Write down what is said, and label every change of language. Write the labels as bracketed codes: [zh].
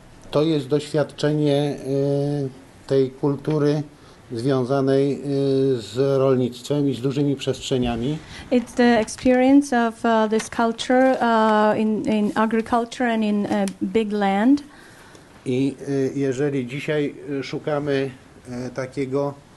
[pl] To jest doświadczenie tej kultury związanej z rolnictwem i z dużymi przestrzeniami. [en] It's the experience of this culture in agriculture and in big land. [pl] I jeżeli dzisiaj szukamy takiego